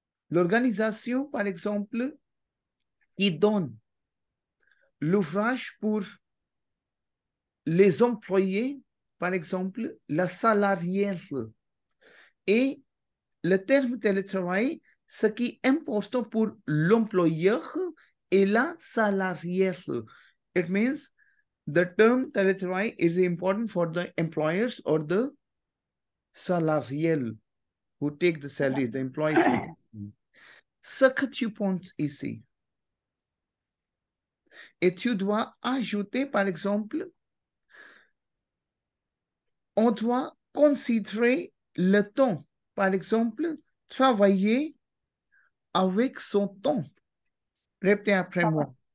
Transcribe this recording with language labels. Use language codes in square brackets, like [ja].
[fr] L'organisation, par exemple, qui donne l'ouvrage pour les employés, par exemple, la salariée. Et le terme télétravail, ce qui est important pour l'employeur et la salariée. [en] It means the term télétravail is important for the employers or the salariés who take the salary, the employees. [fr] Ce que tu penses ici. Et tu dois ajouter, par exemple, on doit considérer le temps. Par exemple, travailler avec son temps. Répétez après moi.